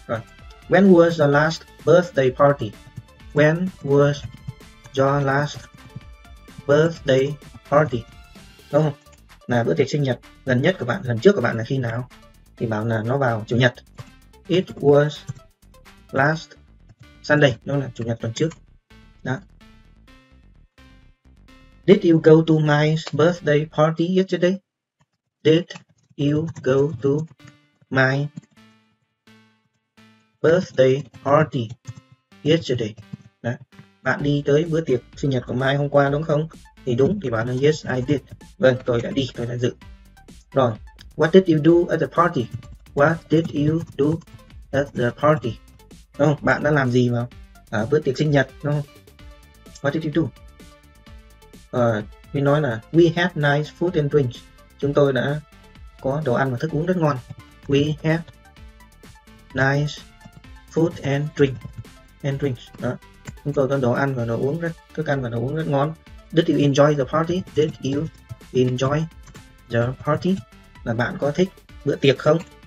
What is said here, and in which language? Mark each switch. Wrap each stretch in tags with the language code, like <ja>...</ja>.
<en>Rồi. When was the last birthday party? When was your last birthday party?</en> <vi>Đúng không? Là bữa tiệc sinh nhật gần nhất của bạn, lần trước của bạn là khi nào? Thì bảo là nó vào chủ nhật.</vi> <en>It was last Sunday,</en> <vi>đó là chủ nhật tuần trước. Đó.</vi> <en>Did you go to my birthday party yesterday? Did you go to my birthday party yesterday?</en> <vi>Đó. Bạn đi tới bữa tiệc sinh nhật của Mai hôm qua đúng không? Thì đúng, thì bạn nói</vi> <en>yes, I did.</en> <vi>Vâng, tôi đã đi, tôi đã dự.</vi> <en>Rồi, what did you do at the party? What did you do at the party?</en> <vi>Đúng không? Bạn đã làm gì vào ở bữa tiệc sinh nhật, đúng không?</vi> <en>What did you do?</en> <vi>Mình nói là</vi> <en>we had nice food and drinks.</en> <vi>Chúng tôi đã có đồ ăn và thức uống rất ngon.</vi> <en>We had nice food and drink. And drinks.</en> <vi>Đó. Chúng tôi có đồ ăn và đồ uống rất, thức ăn và đồ uống rất ngon.</vi> <en>Did you enjoy the party? Did you enjoy the party?</en> <vi>Là bạn có thích bữa tiệc không?</vi>